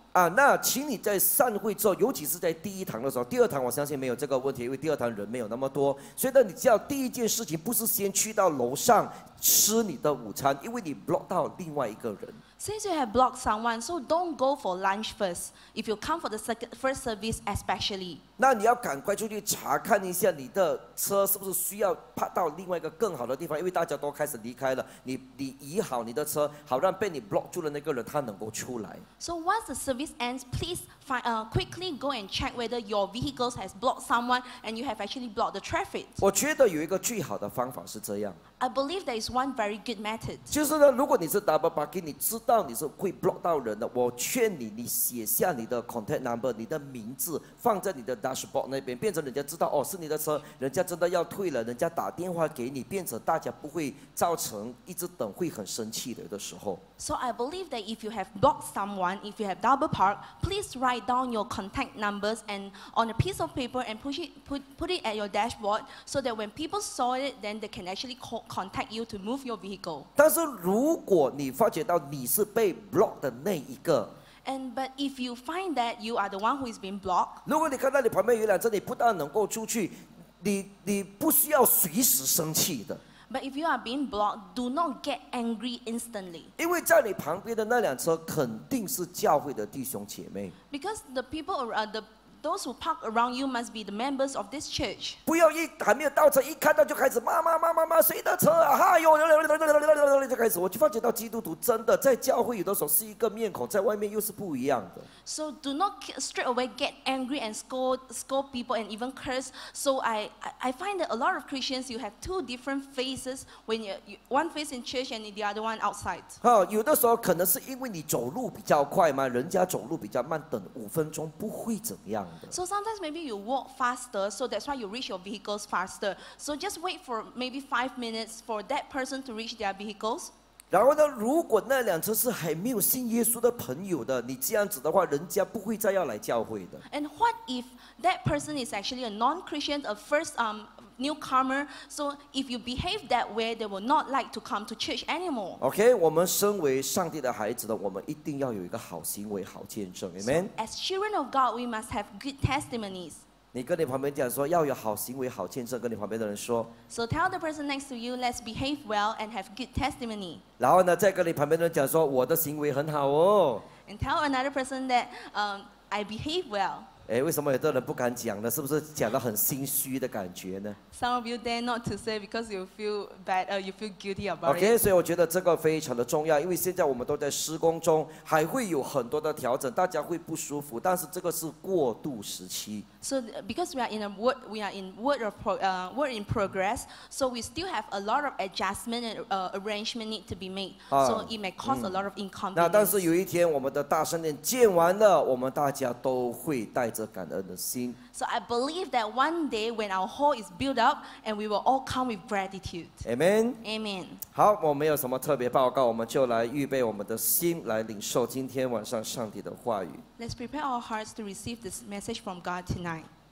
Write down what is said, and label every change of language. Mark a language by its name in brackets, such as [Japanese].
[Chinese] 啊，那请你在散会之后，尤其是在第一堂的时候，第二堂我相信没有这个问题，因为第二堂人没有那么多。所以呢，你知道第一件事情不是先去到楼上吃你的午餐，因为你 block 到另外一个人。 [English] Since you have blocked someone, so don't go for lunch first. If you come for the first service, especially. [Chinese] 那你要赶快出去查看一下你的车是不是需要 park 到另外一个更好的地方，因为大家都开始离开了。你移好你的车，好让被你 block 住的那个人他能够出来。 [English] So once the service ends, please quickly go and check whether your vehicles has blocked someone and you have actually blocked the traffic. [Chinese] 我觉得有一个最好的方法是这样。 [English] I believe there is one very good method. [Chinese] 就是呢，如果你是 double parking， 你知道你是会 block 到人的，我劝你，你写下你的 contact number， 你的名字放在你的 dashboard 那边，变成人家知道哦是你的车，人家真的要退了，人家打电话给你，变成大家不会造成一直等会很生气的时候。 [English] So I believe that if you have blocked someone, if you have double parked, please write down your contact numbers and on a piece of paper and put it at your dashboard so that when people saw it, then they can actually contact you to move your vehicle. [Chinese] 但是如果你发觉到你是被 blocked 的那一个， [English] and but if you find that you are the one who is being blocked, [Chinese] 如果你看到你旁边有辆车，你不但能够出去，你不需要随时生气的。 [English] But if you are being blocked, do not get angry instantly. [Chinese] 因为在你旁边的那辆车肯定是教会的弟兄姐妹。 [English] Because the people those who park around you must be the members of this church. [Chinese] 不要一还没有到车，一看到就开始骂骂骂骂骂谁的车啊！哈哟，就开始，我就发觉到基督徒真的在教会有的时候是一个面孔，在外面又是不一样的。 [English] So do not straight away get angry and scold people and even curse. So I find that a lot of Christians you have two different faces when one face in church and the other one outside. [Chinese] 好，有的时候可能是因为你走路比较快嘛，人家走路比较慢，等五分钟不会怎么样。 [English] So sometimes maybe you walk faster, so that's why you reach your vehicles faster. So just wait for maybe 5 minutes for that person to reach their vehicles. [Chinese] 然后呢，如果那辆车是还没有信耶稣的朋友的，你这样子的话，人家不会再要来教会的。 [English] And what if that person is actually a non-Christian, a first newcomer? So if you behave that way, they will not like to come to church anymore. [Chinese] Okay, 我们身为上帝的孩子的，我们一定要有一个好行为、好见证。 [English] Amen. So, as children of God, we must have good testimonies. [Chinese] 你跟你旁边讲说要有好行为、好见证，跟你旁边的人说。 [English] So tell the person next to you, let's behave well and have good testimony. [Chinese] 然后呢，再跟你旁边的人讲说我的行为很好哦。 [English] And tell another person that I behave well. [Chinese] 哎，为什么有的人不敢讲呢？是不是讲得很心虚的感觉呢 [English] ？Some of you dare not to say because you feel bad, you feel guilty about it. [Chinese] Okay, 所以我觉得这个非常的重要，因为现在我们都在施工中，还会有很多的调整，大家会不舒服，但是这个是过渡时期。 [English] So because we are in work in progress, so we still have a lot of adjustment and arrangement need to be made. So it may cause a lot of inconvenience. [Chinese] 那但是有一天我们的大圣殿建完了，我们大家都会带着感恩的心。 [English] So I believe that one day when our hall is built up, and we will all come with gratitude. Amen. Amen. [Chinese] 好，我没有什么特别报告，我们就来预备我们的心，来领受今天晚上上帝的话语。 [English] Let's prepare our hearts to receive this message from God tonight.